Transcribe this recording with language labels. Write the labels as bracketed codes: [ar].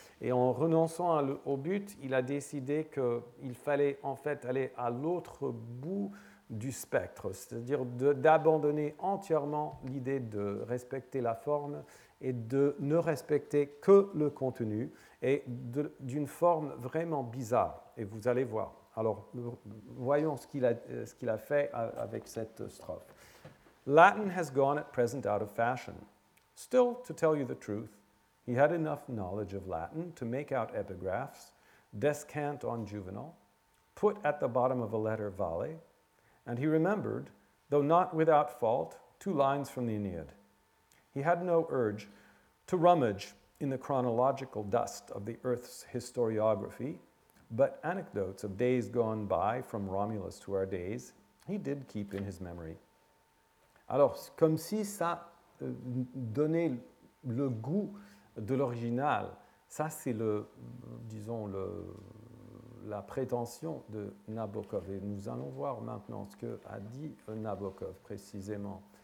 [fr] Et en renonçant au but, il a décidé qu'il fallait en fait aller à l'autre bout du spectre, c'est-à-dire d'abandonner entièrement l'idée de respecter la forme et de ne respecter que le contenu, et d'une forme vraiment bizarre, et vous allez voir. Alors, voyons ce qu'il a fait avec cette strophe. [en] Latin has gone at present out of fashion. Still, to tell you the truth, He had enough knowledge of Latin to make out epigraphs, descant on Juvenal, put at the bottom of a letter vale, and he remembered, though not without fault, two lines from the Aeneid. He had no urge to rummage in the chronological dust of the earth's historiography, but anecdotes of days gone by from Romulus to our days, he did keep in his memory. [fr] Alors, comme si ça donnait le goût de l'original, ça c'est le, disons, le, la prétention de Nabokov. Et nous allons voir maintenant ce que a dit Nabokov précisément.